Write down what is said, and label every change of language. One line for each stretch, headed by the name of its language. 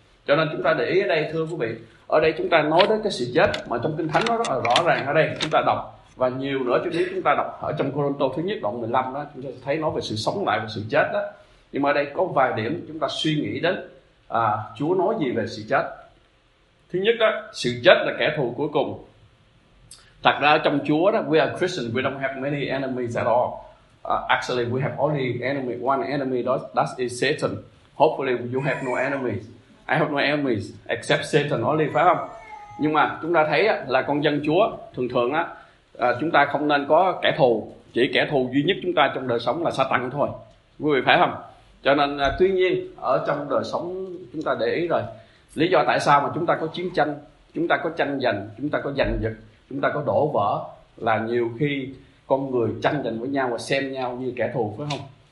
Vietnamese: Cho nên chúng ta để ý ở đây thưa quý vị, ở đây chúng ta nói đến cái sự chết mà trong Kinh Thánh nó rất là rõ ràng ở đây chúng ta đọc, và nhiều nữa chúng biết chúng ta đọc ở trong Côrintô thứ nhất đoạn 15 đó, chúng ta thấy nói về sự sống lại và sự chết đó. Nhưng mà ở đây có vài điểm chúng ta suy nghĩ đến Chúa nói gì về sự chết. Thứ nhất đó, sự chết là kẻ thù cuối cùng. Thật ra trong Chúa đó,
English: we are Christians, we don't have many enemies at all. Actually, we have only enemy, one enemy, that is Satan. Hopefully, you have no enemies. I have no enemies, except Satan only,
Vietnamese: phải không? Nhưng mà chúng ta thấy là con dân Chúa, thường thường chúng ta không nên có kẻ thù. Chỉ kẻ thù duy nhất chúng ta trong đời sống là Satan thôi. Quý vị phải không? Cho nên tuy nhiên, ở trong đời sống chúng ta để ý rồi, lý do tại sao mà chúng ta có chiến tranh, chúng ta có tranh giành, chúng ta có giành giật, chúng ta có đổ vỡ, là nhiều khi con người tranh giành với nhau và xem nhau như kẻ thù, phải không?